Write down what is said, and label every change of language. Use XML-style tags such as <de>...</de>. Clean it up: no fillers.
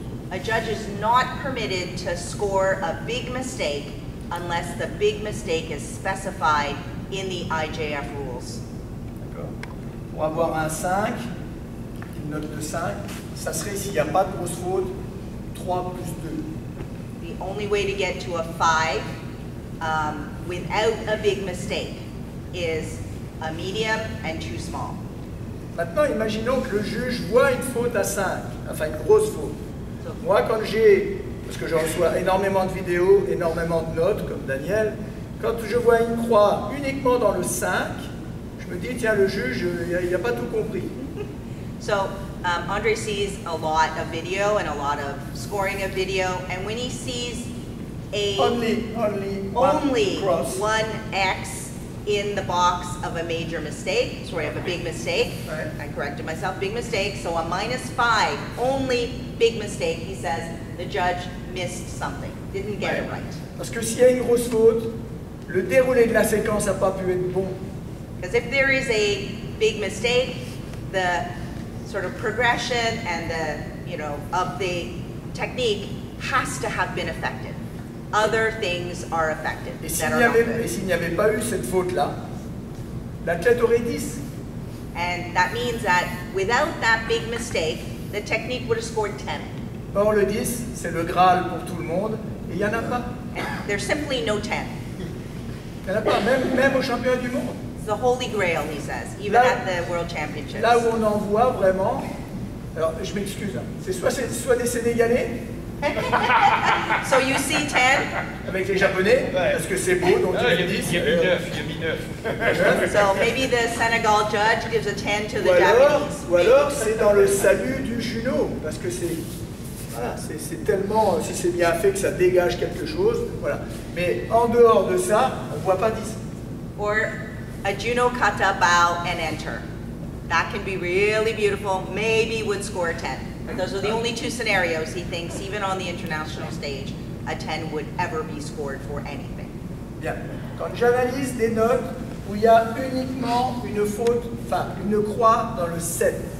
<en>A judge is not permitted to score a big mistake unless the big mistake is specified in the IJF rules.</en> <fr>D'accord. Pour avoir un 5, une note de 5, ça serait s'il n'y a pas de grosse faute, 3 plus 2.</fr> <en>The only way to get to a 5 without a big mistake is a medium and 2 small.</en> <fr>Maintenant, imaginons que le juge voit une faute à 5. Enfin, une grosse faute. Moi, quand j'ai, parce que je reçois énormément de vidéos, énormément de notes, comme Daniel, quand je vois une croix uniquement dans le 5, je me dis, tiens, le juge, il n'a pas tout compris.</fr> <en>So, Andre sees a lot of video and a lot of scoring of video, and when he sees a only cross. One X in the box of a major mistake. Sorry, I have a big mistake. Right. I corrected myself, big mistake. So a minus five, only big mistake. He says the judge missed something, didn't get it right.</en> <fr>Parce que s'il y a une grosse faute, le déroulé de la séquence n'a pas pu être bon.</fr> <en>Because if there is a big mistake, the sort of progression and the, you know, of the technique has to have been affected. Other things are affected.</en> <fr>Et s'il n'y avait, pas eu cette faute-là, l'athlète aurait 10.</fr> <en>And that means that without that big mistake, the technique would have scored 10.</en> <fr>Or le 10, c'est le Graal pour tout le monde, et il n'y en a pas.</fr> <en>And there's simply no 10.</en> <fr>Il n'y en a pas, même aux champions du monde.</fr> <en>The Holy Grail, he says, even at the World Championships.</en> <fr>Là où on en voit vraiment, alors je m'excuse, c'est soit des Sénégalais.</fr> <en>So you see 10?</en> <fr>Avec les Japonais, parce que c'est beau, donc il y a 10. Il y a mis 9, il y a mis 9.</fr> <en>So maybe the Senegal judge gives a 10 to the Japanese.</en> <fr>Ou alors c'est dans le salut du judo, parce que c'est... Voilà, c'est tellement, si c'est bien fait, que ça dégage quelque chose, voilà. Mais en dehors de ça, on ne voit pas 10.</fr> <en>Or a Juno kata bow and enter. That can be really beautiful, maybe would score a 10. But those are the only two scenarios he thinks, even on the international stage, a 10 would ever be scored for anything.</en> <fr>Bien. Quand j'analyse des notes où il y a uniquement une faute, enfin, une croix dans le 7.</fr>